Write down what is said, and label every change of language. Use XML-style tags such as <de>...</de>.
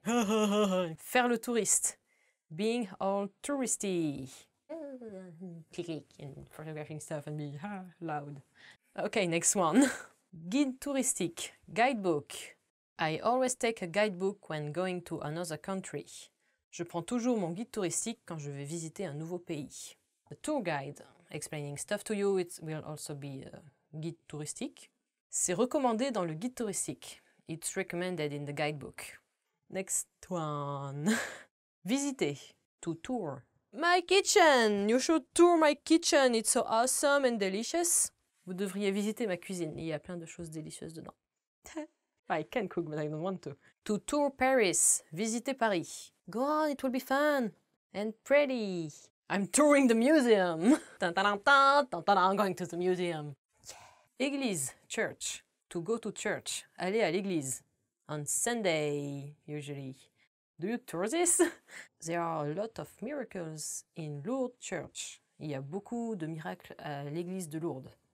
<fr>Faire le touriste.</fr> <en>Being all touristy. Click and photographing stuff and being loud. Okay, next one. Guide touristique. Guidebook. I always take a guidebook when going to another country.</en> <fr>Je prends toujours mon guide touristique quand je vais visiter un nouveau pays.</fr> <en>A tour guide, explaining stuff to you, it will also be a guide touristique.</en> <fr>C'est recommandé dans le guide touristique.</fr> <en>It's recommended in the guidebook. Next one. Visiter. To tour. My kitchen! You should tour my kitchen, it's so awesome and delicious.</en> <fr>Vous devriez visiter ma cuisine, il y a plein de choses délicieuses dedans.</fr> <en>I can cook, but I don't want to. To tour Paris.</en> <fr>Visiter Paris.</fr> <en>Go on, it will be fun. And pretty. I'm touring the museum. I'm going to the museum. Yeah. Église. Church. To go to church.</en> <fr>Aller à l'église.</fr> <en>On Sunday, usually. Do you tour this? There are a lot of miracles in Lourdes Church.</en> <fr>Il y a beaucoup de miracles à l'église de Lourdes.</fr>